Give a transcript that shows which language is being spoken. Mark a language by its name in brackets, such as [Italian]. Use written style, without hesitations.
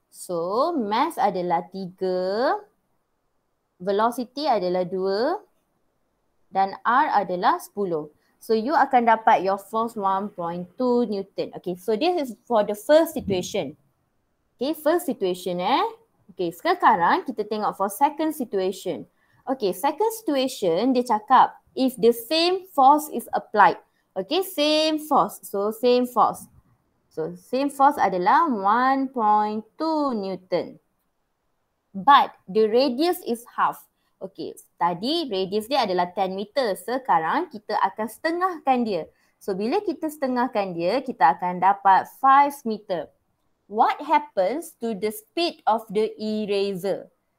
[Malay] So, mass adalah 3, velocity adalah 2 dan r adalah 10. [English] So, you [Malay] akan dapat [English] your force 1.2 newton. Okay, so this is for the first situation. Okay, first situation eh. Okay, [Malay] sekarang kita tengok [English] for second situation. Okay, second situation [Malay] dia cakap [English] if the same force is applied. Okay, same force. So, same force. So, same force adalah 1.2 newton. But, the radius is half. Okay, [Malay] tadi radius dia adalah 10 meter. Sekarang kita akan setengahkan dia. So, bila kita setengahkan dia, kita akan dapat 5 meter. [English] What happens to the speed of the eraser?